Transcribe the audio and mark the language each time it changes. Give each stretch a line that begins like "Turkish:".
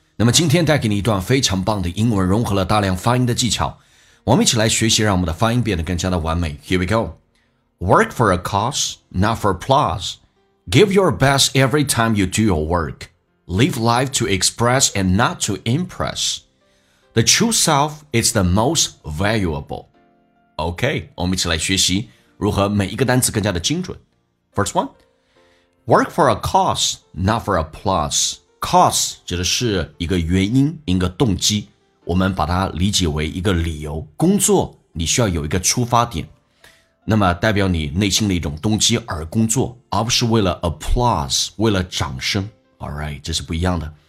Chinese: 那么今天带给你一段非常棒的英文，融合了大量发音的技巧，我们一起来学习，让我们的发音变得更加的完美。
English: Here we go. Work for a cause, not for applause. Give your best every time you do your work. Live life to express and not to impress. The true self is the most valuable.
Chinese: OK, 我们一起来学习如何每一个单词更加的精准。
English: First oneWork for a cause, not for a plus.
Chinese: Cause 指的是一个原因，一个动机，我们把它理解为一个理由。工作你需要有一个出发点，那么代表你内心的一种动机而工作，而不是为了 applause, 为了掌声。 Alright, 这是不一样的。